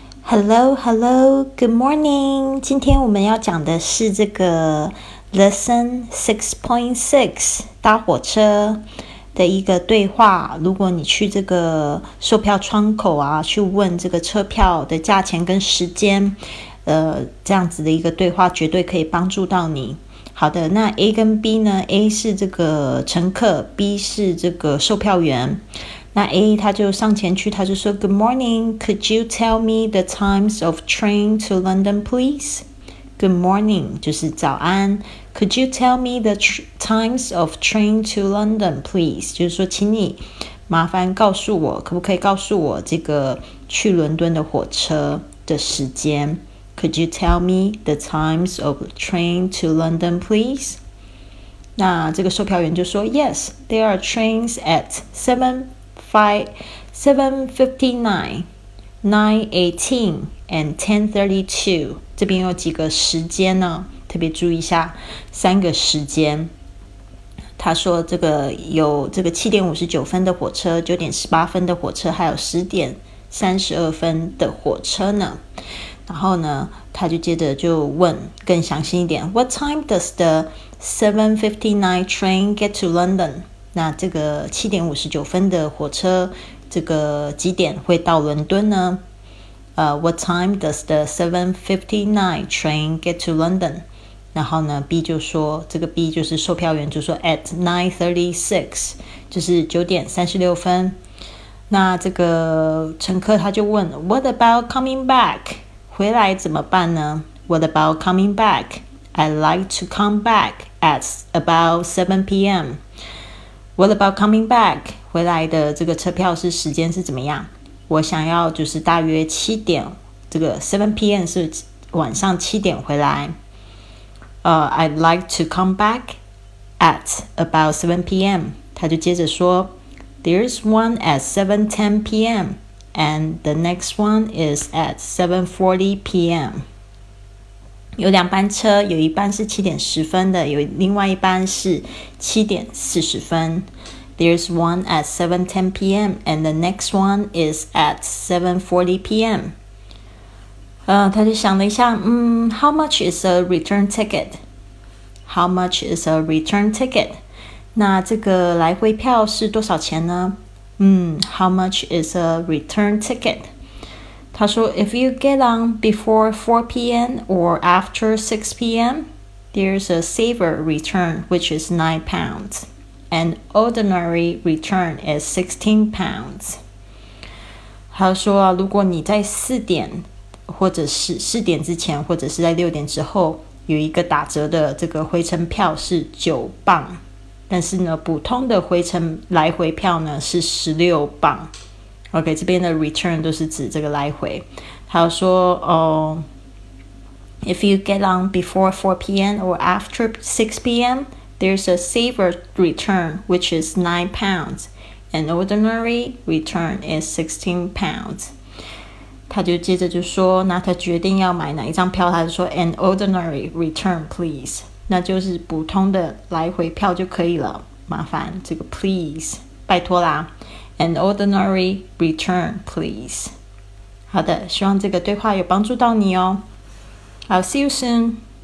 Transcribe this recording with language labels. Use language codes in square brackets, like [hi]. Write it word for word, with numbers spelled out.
[en] Hello, hello, good morning. [zh] 今天我们要讲的是这个 Lesson six point six 搭火车的一个对话。如果你去这个售票窗口啊，去问这个车票的价钱跟时间，呃，这样子的一个对话绝对可以帮助到你。好的，那 A 跟 B 呢 ？A 是这个乘客 ，B 是这个售票员。那 A 他就上前去，他就说 [en] Good morning, could you tell me the times of train to London, please? Good morning [zh] 就是早安。 [en] Could you tell me the tr- times of train to London, please? [zh] 就是说，请你麻烦告诉我，可不可以告诉我这个去伦敦的火车的时间 ？ [en] Could you tell me the times of train to London, please? [zh] 那这个售票员就说 [en] Yes, there are trains at seven. Five, seven fifty nine, nine eighteen, and ten thirty two. [zh] 这边有几个时间呢？特别注意一下，三个时间。他说这个有这个七点五十九分的火车，九点十八分的火车，还有十点三十二分的火车呢。然后呢，他就接着就问更详细一点 [en] ，What time does the seven fifty nine train get to London? [zh] 那这个七点五十九分的火车，这个几点会到伦敦呢？ [en] 呃、uh, ，What time does the seven fifty nine train get to London？ [zh] 然后呢 ，B 就说，这个 B 就是售票员就说 [en] at nine thirty six， [zh] 就是九点三十六分。那这个乘客他就问 ， [en] What about coming back？ [zh] 回来怎么办呢 [en] ？What about coming back？I like to come back at about seven p.m. What about coming back? [zh] 回来的这个车票是时间是怎么样？我想要就是大约七点，这个 seven p.m. 是晚上七点回来。 [en] 呃、uh, I'd like to come back at about seven p.m. [zh] 他就接着说 [en] There's one at seven ten p.m. and the next one is at seven forty p.m. [zh] 有两班车，有一班是七点十分的，有另外一班是七点四十分。 [en] There's one at seven ten p.m. and the next one is at seven forty p.m. 呃， [zh] 他就想了一下， [en] 嗯 ，How much is a return ticket? How much is a return ticket? [zh] 那这个来回票是多少钱呢？ [en] 嗯 ，How much is a return ticket? [zh] 他说 [en] If you get on before four p.m. or after six p.m. there's a saver return which is nine pounds. An ordinary return is sixteen pounds. [zh] 他说、啊、如果你在四点或者是四点之前或者是在六点之后有一个打折的这个回程票是九磅，但是呢普通的回程来回票呢是十六磅。 OK， 这边的 return 都是指这个来回。还有说， [en] 哦、uh, ，If you get on before four p.m. or after six p.m., there's a saver return which is nine pounds. An ordinary return is sixteen pounds. [zh] 他就接着就说，那他决定要买哪一张票，他就说 [en] An ordinary return, please. [zh] 那就是普通的来回票就可以了，麻烦这个 please， 拜托啦。 [en] An ordinary return, please. [zh] 好的，希望这个对话有帮助到你哦。 [en] I'll see you soon.